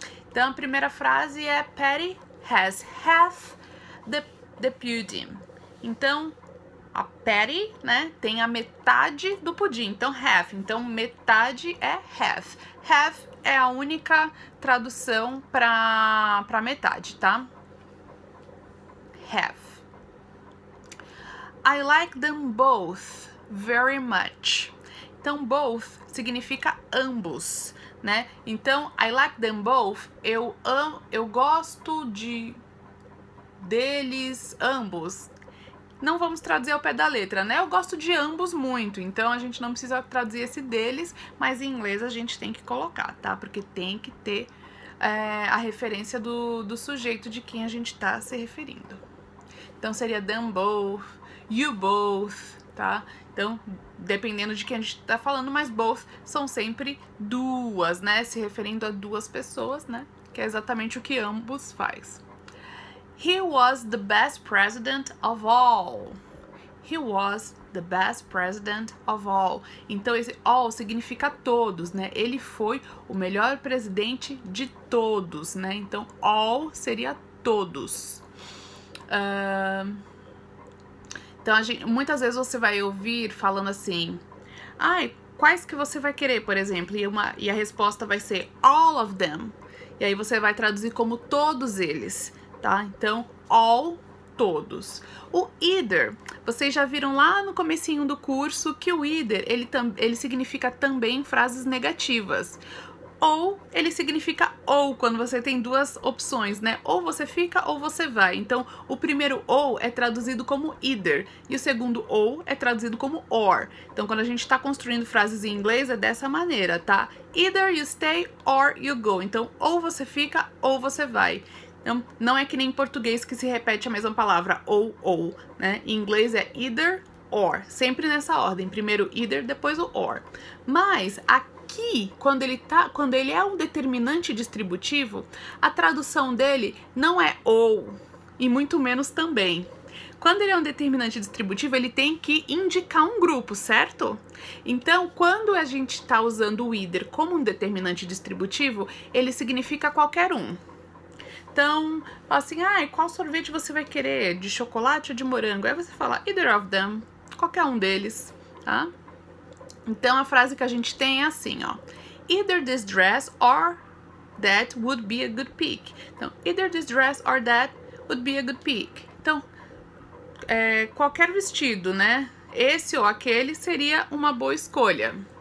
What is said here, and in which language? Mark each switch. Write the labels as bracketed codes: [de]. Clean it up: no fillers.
[pt] Então, a primeira frase é [en] Patty has half the pudding. [pt] Então, a Patty, né, tem a metade do pudim, então half, então metade é half. Half é a única tradução para metade, tá? [en] Half. I like them both very much. [pt] Então, both significa ambos, né? Então, [en] I like them both, [pt] eu gosto deles ambos. Não vamos traduzir ao pé da letra, né? Eu gosto de ambos muito, então a gente não precisa traduzir esse deles, mas em inglês a gente tem que colocar, tá? Porque tem que ter a referência do sujeito de quem a gente tá se referindo. Então seria [en] them both, you both, [pt] tá? Então, dependendo de quem a gente tá falando, mas both são sempre duas, né? Se referindo a duas pessoas, né? Que é exatamente o que ambos faz. [en] He was the best president of all. He was the best president of all. [pt] Então, esse all significa todos, né? Ele foi o melhor presidente de todos, né? Então, all seria todos. Então, muitas vezes você vai ouvir falando assim, ai, quais que você vai querer, por exemplo? E a resposta vai ser [en] all of them. [pt] E aí você vai traduzir como todos eles. Tá? Então, all, todos. O either, vocês já viram lá no comecinho do curso que o either, ele significa também frases negativas. Ou ele significa ou, quando você tem duas opções, né? Ou você fica ou você vai. Então, o primeiro ou é traduzido como either. E o segundo ou é traduzido como or. Então, quando a gente está construindo frases em inglês, é dessa maneira, tá? [en] Either you stay or you go. [pt] Então, ou você fica ou você vai. Não é que nem em português que se repete a mesma palavra, ou, né? Em inglês é either, or, sempre nessa ordem, primeiro either, depois o or. Mas aqui, quando ele é um determinante distributivo, a tradução dele não é ou, e muito menos também. Quando ele é um determinante distributivo, ele tem que indicar um grupo, certo? Então, quando a gente está usando o either como um determinante distributivo, ele significa qualquer um. Então, assim, ah, qual sorvete você vai querer? De chocolate ou de morango? Aí você fala, [en] either of them, [pt] qualquer um deles, tá? Então, a frase que a gente tem é assim, ó. [en] Either this dress or that would be a good pick. [pt] Então, [en] either this dress or that would be a good pick. [pt] Então, qualquer vestido, né? Esse ou aquele seria uma boa escolha.